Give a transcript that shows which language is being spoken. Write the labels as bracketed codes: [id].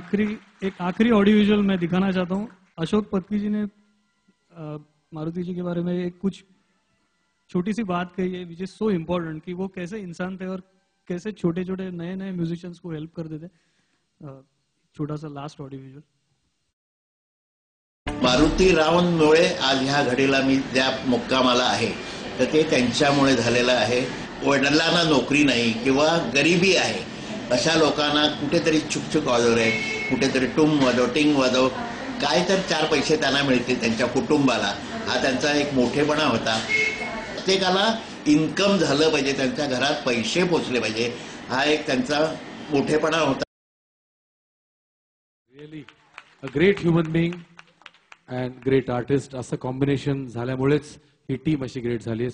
[hi] एक आखिरी audio visual मैं दिखाना चाहता हूँ अशोक पत्की जी ने मारुति जी के बारे में एक कुछ छोटी सी बात कही है [en] which is so important [hi] कि वो कैसे इंसान थे और कैसे छोटे छोटे नए नए म्यूजिशियंस को हेल्प करते थे छोटा सा लास्ट ऑडियो विजुअल [mr] मारुती रावमुळे आज ह्या घडीला मी ज्या मुक्कामाला आहे तर ते त्यांच्यामुळे झालेलं आहे वडिलांना नोकरी नाही किंवा गरिबी आहे अशा लोकांना कुठेतरी चुकचुक वाजव रे कुठेतरी टुंग वाजव टिंग वाजव काय तर चार पैसे त्यांना मिळतील त्यांच्या कुटुंबाला हा त्यांचा एक मोठेपणा होता प्रत्येकाला इन्कम झालं पाहिजे त्यांच्या घरात पैसे पोचले पाहिजे हा एक त्यांचा मोठेपणा होता [en] Really a great human being And great artist, as a combination, Zalem Ulitz, he team as great Zalem.